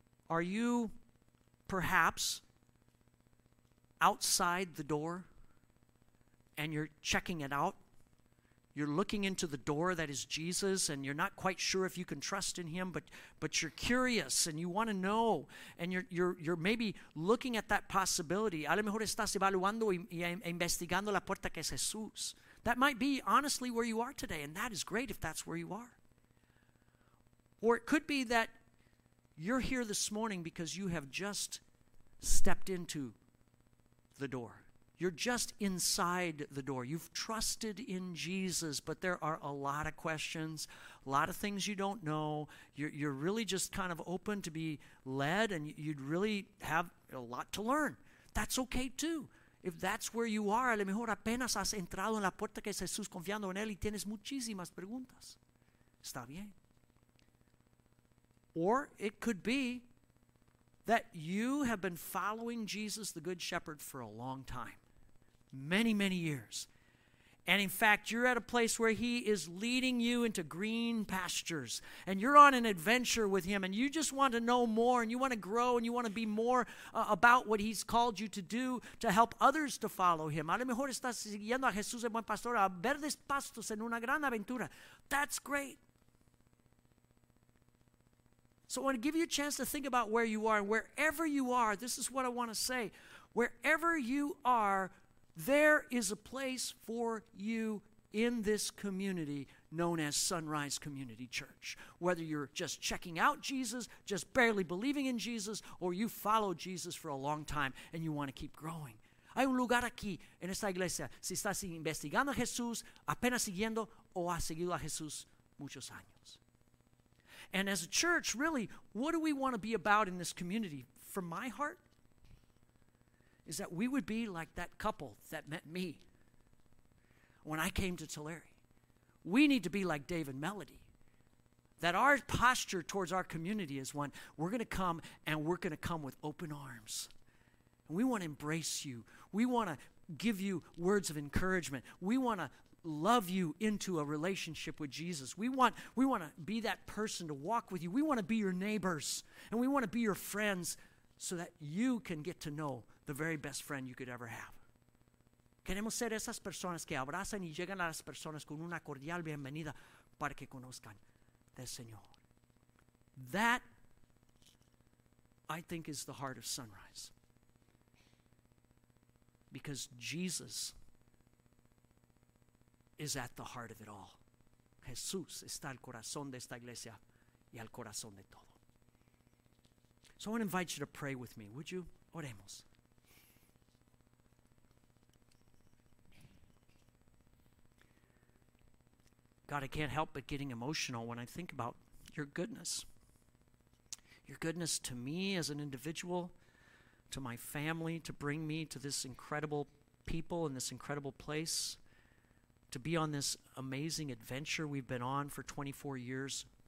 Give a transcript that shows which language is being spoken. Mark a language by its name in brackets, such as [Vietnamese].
[English] Are you perhaps outside the door and you're checking it out? You're looking into the door that is Jesus, and you're not quite sure if you can trust in him, but you're curious and you want to know, and you're maybe looking at that possibility. [Spanish] A lo mejor estás evaluando y investigando la puerta que es Jesús. [English] That might be honestly where you are today, and that is great if that's where you are. Or it could be that you're here this morning because you have just stepped into the door. You're just inside the door. You've trusted in Jesus, but there are a lot of questions, a lot of things you don't know. You're really just kind of open to be led, and you'd really have a lot to learn. That's okay too. If that's where you are, [Spanish] a lo mejor apenas has entrado en la puerta que es Jesús confiando en él y tienes muchísimas preguntas. Está bien. [English] Or it could be that you have been following Jesus, the Good Shepherd, for a long time. Many, many years. And in fact, you're at a place where he is leading you into green pastures. And you're on an adventure with him. And you just want to know more. And you want to grow. And you want to be more about what he's called you to do to help others to follow him. [Spanish] A lo mejor estás siguiendo a Jesús, el buen pastor, a verdes pastos en una gran aventura. [English] That's great. So I want to give you a chance to think about where you are. And wherever you are, this is what I want to say. Wherever you are, there is a place for you in this community known as Sunrise Community Church. Whether you're just checking out Jesus, just barely believing in Jesus, or you follow Jesus for a long time and you want to keep growing. [Spanish] Hay un lugar aquí en esta iglesia. Si estás investigando a Jesús, apenas siguiendo, o has seguido a Jesús muchos años. [English] And as a church, really, what do we want to be about in this community? From my heart, is that we would be like that couple that met me. when I came to Tulare. We need to be like Dave and Melody. That our posture towards our community is one, we're going to come and we're going to come with open arms. And we want to embrace you. We want to give you words of encouragement. We want to love you into a relationship with Jesus. We want to be that person to walk with you. We want to be your neighbors. And we want to be your friends so that you can get to know the very best friend you could ever have. [Spanish] Queremos ser esas personas que abrazan y llegan a las personas con una cordial bienvenida para que conozcan del Señor. [English] That, I think, is the heart of Sunrise. Because Jesus is at the heart of it all. [Spanish] Jesús está al corazón de esta iglesia y al corazón de todo. [English] So I want to invite you to pray with me. Would you? [Spanish] Oremos. [English] God, I can't help but getting emotional when I think about your goodness. Your goodness to me as an individual, to my family, to bring me to this incredible people and this incredible place, to be on this amazing adventure we've been on for 24 years.